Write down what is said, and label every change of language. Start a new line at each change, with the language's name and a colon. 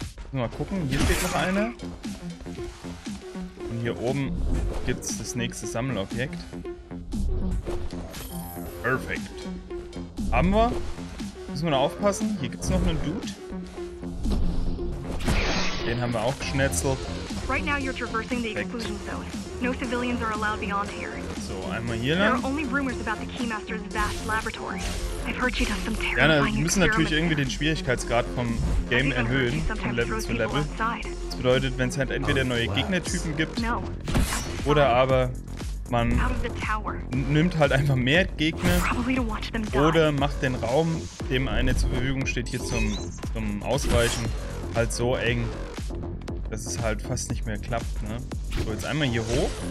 German: Mal gucken, hier steht noch eine. Und hier oben gibt es das nächste Sammelobjekt. Perfekt. Haben wir? Müssen wir da aufpassen? Hier gibt es noch einen Dude. Den haben wir auch geschnetzelt.
English: Right now you're traversing the exclusion zone. No civilians are allowed beyond here.
German: So, einmal hier lang.
English: There are only rumors about the Keymaster's vast laboratory. I've heard she does some terrifying experiments.
German: Ja, wir müssen natürlich irgendwie den Schwierigkeitsgrad vom Game erhöhen, von Level zu Level. Das bedeutet, wenn es halt entweder neue Gegnertypen gibt, oder aber man nimmt halt einfach mehr Gegner oder macht den Raum, dem eine zur Verfügung steht, hier zum Ausweichen, halt so eng, dass es halt fast nicht mehr klappt, ne? So, jetzt einmal hier hoch.